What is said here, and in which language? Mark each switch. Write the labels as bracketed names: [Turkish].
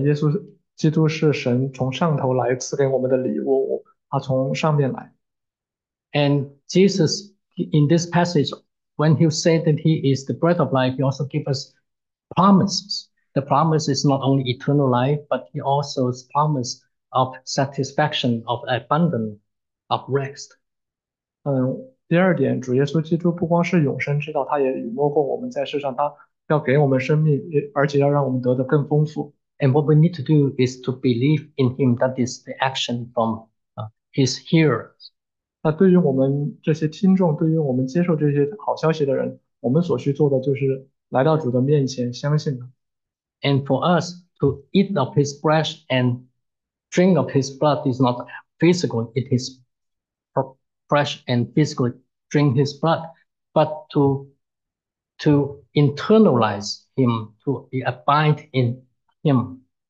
[Chinese] 耶稣基督是神从上头来赐给我们的礼物，他从上面来。 [English] And Jesus in this passage when he said that he is the bread of life, he also gave us promises. The promise is not only eternal life, but he also promised of satisfaction, of abundance, of rest. [Chinese] 第二点，主耶稣基督不光是永生之道，他也雨过过我们在世上，他要给我们生命，而且要让我们得的更丰富。 [English] And what we need to do is to believe in him. That is the action from his hearers. [Chinese] 那对于我们这些听众，对于我们接受这些好消息的人，我们所需做的就是来到主的面前相信他。 [English] And for us to eat of his flesh and drink of his blood is not physical, it is fresh and physical, drink his blood, but to internalize him, to be abide in him.